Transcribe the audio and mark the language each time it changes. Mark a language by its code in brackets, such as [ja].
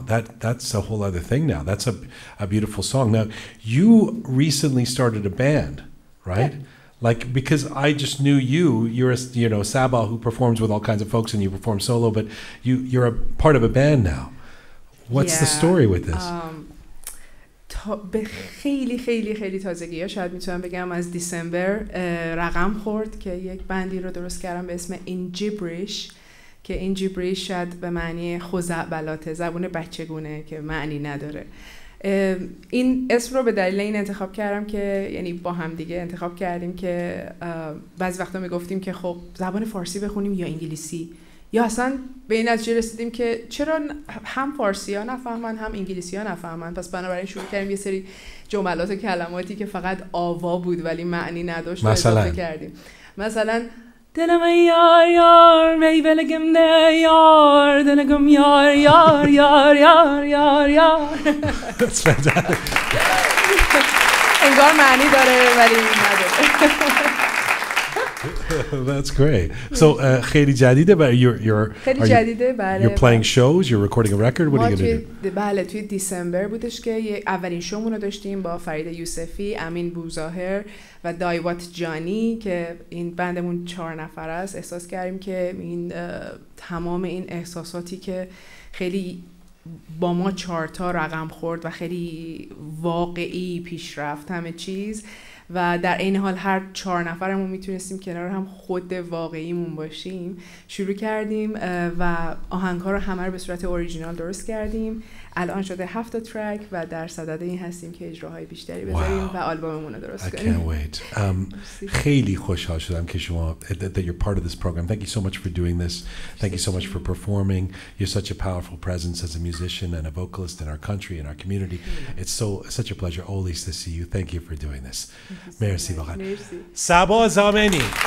[en] That's a whole other thing now. That's a beautiful song. Now, you recently started a band, right? Yeah. Like, because I just knew you. You're Saba who performs with all kinds of folks, and you perform solo. But you're a part of a band now. What's the story with this? [fa] به خیلی خیلی خیلی تازگی ها شاید میتونم بگم از دیسمبر رقم خورد که یک بندی رو درست کردم به اسم انجیبریش که انجیبریش شاید به معنی خزعبلاته زبون بچگونه که معنی نداره. این اسم رو به دلیل این انتخاب کردم که یعنی با هم دیگه انتخاب کردیم که بعضی وقتا میگفتیم که خب زبان فارسی بخونیم یا انگلیسی یا اصلا به این نتیجه رسیدیم که چرا هم فارسی ها نفهمن هم انگلیسی ها نفهمن. پس بنابراین شروع کردیم یه سری جملات و کلماتی که فقط آوا بود ولی معنی نداشت مثلا اضافه کردیم. مثلا دلم یار یار می بلگم ده یار دلگم یار یار یار یار یار یار انگار معنی داره ولی نداره. [en] That's great. So, [fa] خیلی جدیده برای [en] you're playing shows, you're recording a record. What are you going to do? [fa] بله توی دیسمبر بودش که یه اولین شومون رو داشتیم با فرید یوسفی، امین بوظاهر و دایوات جانی که این بندمون چهار نفر است. احساس کردیم که این تمام این احساساتی که خیلی با ما چهار تا رقم خورد و خیلی واقعی پیش رفت همه چیز و در این حال هر چهار نفرمون میتونستیم کنار هم خود واقعیمون باشیم شروع کردیم و آهنگ‌ها رو همه رو به صورت اوریجینال درست کردیم. الان شده 7 ترک و در صدد این هستیم که اجراهای بیشتری بذاریم و آلبوممون رو درست کنیم. [en] I can't wait. [fa] خیلی خوشحال شدم که شما [en] that you're part of this program. Thank you so much for doing this. Thank you so much for performing. You're such a powerful presence as a musician and a vocalist in our country and our community. It's so such a pleasure always to see you. Thank you for doing this. Merci beaucoup. Saba Zameni.